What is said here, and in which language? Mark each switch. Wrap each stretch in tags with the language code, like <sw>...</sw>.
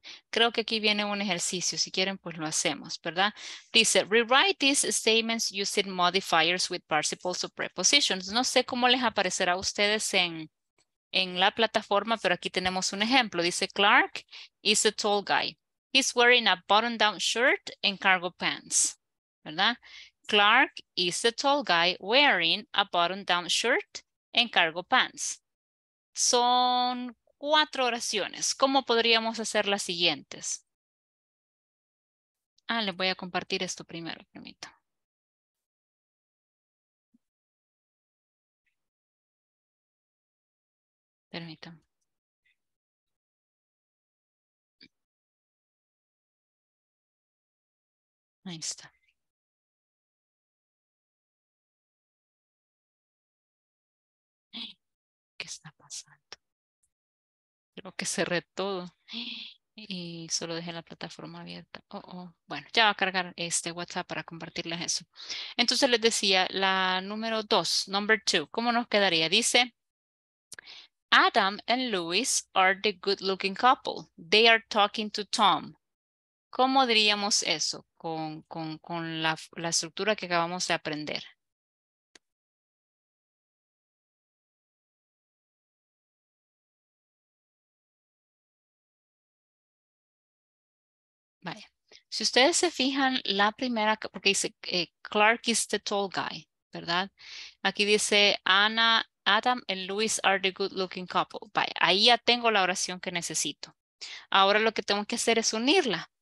<es>Creo que aquí viene un ejercicio, si quieren, pues lo hacemos, ¿verdad?</es> <en>Dice, rewrite these statements using modifiers with participles or prepositions.</en> <es>No sé cómo les aparecerá a ustedes en la plataforma, pero aquí tenemos un ejemplo.</es> <en>Dice, Clark is a tall guy. He's wearing a button-down shirt and cargo pants. ¿Verdad? Clark is a tall guy wearing a button-down shirt and cargo pants.</en> <es>Son cuatro oraciones. ¿Cómo podríamos hacer las siguientes? Ah, les voy a compartir esto primero, permito. Permítanme. Ahí está. ¿Qué está pasando? Creo que cerré todo y solo dejé la plataforma abierta. Bueno, ya va a cargar este WhatsApp para compartirles eso. Entonces les decía, la número dos, number two, ¿cómo nos quedaría?</es> <en>Dice, Adam and Louis are the good-looking couple. They are talking to Tom.</en> <es>¿Cómo diríamos eso con la estructura que acabamos de aprender? Vaya. Si ustedes se fijan, la primera, porque dice</es> <en>Clark is the tall guy,</en> <es>¿verdad? Aquí dice Anna.</es> <en>Adam and Louis are the good looking couple.</en> <es>Bye. Ahí ya tengo la oración que necesito. Ahora lo que tengo que hacer es unirla.</es>